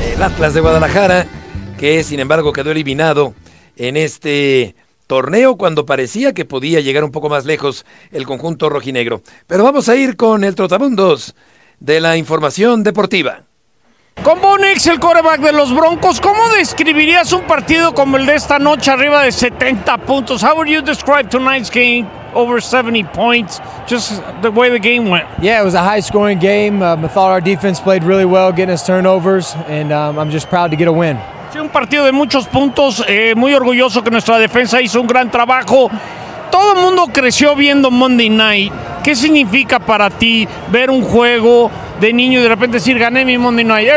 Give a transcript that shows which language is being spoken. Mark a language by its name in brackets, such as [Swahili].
[Spanish] El Atlas de Guadalajara, que sin embargo quedó eliminado en este torneo cuando parecía que podía llegar un poco más lejos el conjunto rojinegro. Pero vamos a ir con el Trotamundos de la información deportiva. Con Bo Nix, el quarterback de los Broncos, ¿cómo describirías un partido como el de esta noche arriba de 70 puntos? [English] How would you describe tonight's game over 70 points, just the way the game went? Yeah, it was a high-scoring game. I thought our defense played really well, getting us turnovers, and I'm just proud to get a win. [Spanish] Sí, un partido de muchos puntos, muy orgulloso que nuestra defensa hizo un gran trabajo. Todo el mundo creció viendo Monday Night. ¿Qué significa para ti ver un juego de niño y de repente decir, gané mi Monday Night?